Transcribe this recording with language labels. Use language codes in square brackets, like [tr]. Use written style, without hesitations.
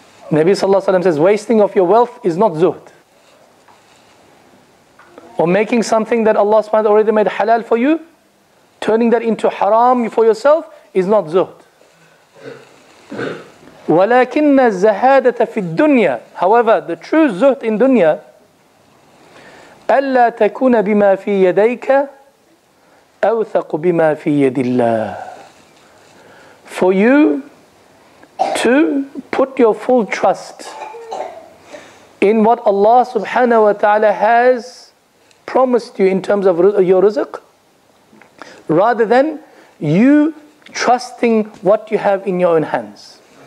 [en] Nabi sallallahu alayhi wa sallam says, wasting of your wealth is not zuhd. Or making something that Allah subhanahu wa ta'ala already made halal for you, turning that into haram for yourself, is not zuhd. [ar] وَلَكِنَّ الزَّهَادَةَ فِي الدُّنْيَا. [en] However, the true zuhd in dunya, [ar] أَلَّا تَكُونَ بِمَا فِي يَدَيْكَ أَوْثَقُ بِمَا فِي يَدِ اللَّهِ. [en] For you to put your full trust in what Allah subhanahu wa ta'ala has promised you in terms of your rizq, rather than you trusting what you have in your own hands.